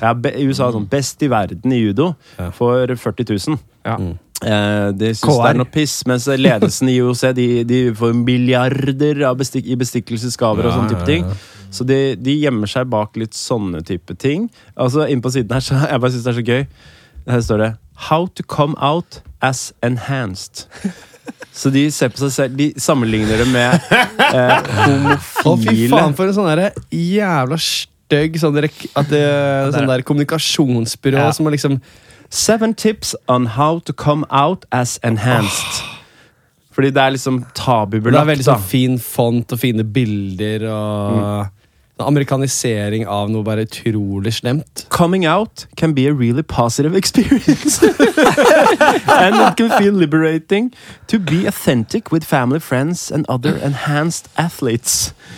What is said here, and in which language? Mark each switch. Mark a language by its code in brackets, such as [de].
[no] Ja, USA er sånn, best i verden i judo, for 40 000. Ja. Det synes KR. Det noe piss, mens ledelsen i IOC, de får milliarder av i bestikkelsesgaver og sånne type ting. Så de gjemmer seg bak litt sånne type ting. Altså, inn på siden her, så jeg bare synes det så gøy. Her står det, [en] how to come out as enhanced. [no] Så de ser på seg selv, de sammenligner det med homofile. Å fy faen, for en sånn der jævla støgg sånn der, sånn der kommunikasjonsbyrå som har liksom... [en] Seven tips on how to come out as enhanced. [no] Fordi det liksom tabubelagt. Det veldig sånn fin font og fine bilder og... amerikanisering av noe bare utrolig slemt. [en] Coming out can be a really positive experience. And it can feel liberating to be authentic with family, friends and other enhanced athletes.